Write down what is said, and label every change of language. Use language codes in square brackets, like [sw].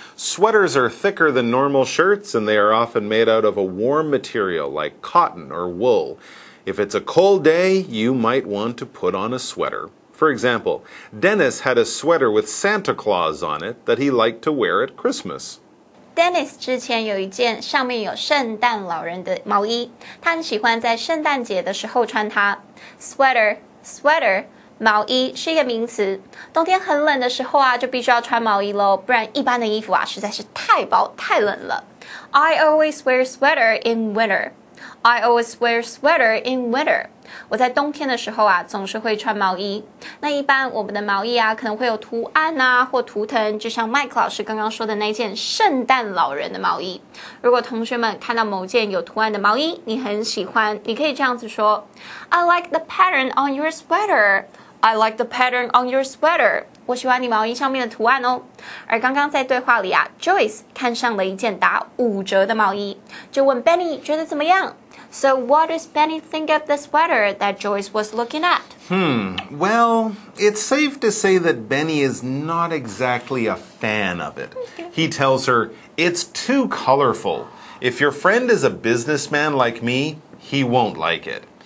[en] Sweaters are thicker than normal shirts, and they are often made out of a warm material like cotton or wool. If it's a cold day, you might want to put on a sweater. For example, Dennis had a sweater with Santa Claus on it that he liked to wear at Christmas. [zh] Dennis 之前有一件上面有圣诞老人的毛衣，他很喜欢在圣诞节的时候穿它。 Sweater, 毛衣是一个名词。冬天很冷的时候啊，就必须要穿毛衣咯，不然一般的衣服啊，实在是太薄太冷了。 [en] I always wear sweater in winter. I always wear sweater in winter. [zh] 我在冬天的时候啊，总是会穿毛衣。那一般我们的毛衣啊，可能会有图案啊，或图腾，就像 Mike 老师刚刚说的那件圣诞老人的毛衣。如果同学们看到某件有图案的毛衣，你很喜欢，你可以这样子说 [en] I like the pattern on your sweater. I like the pattern on your sweater. [zh] 我喜欢你毛衣上面的图案哦。而刚刚在对话里啊 ,Joyce 看上了一件打五折的毛衣。就问 Benny 觉得怎么样 [en] ?So what does Benny think of the sweater that Joyce was looking at? Well, it's safe to say that Benny is not exactly a fan of it. He tells her, it's too colorful. If your friend is a businessman like me, he won't like it.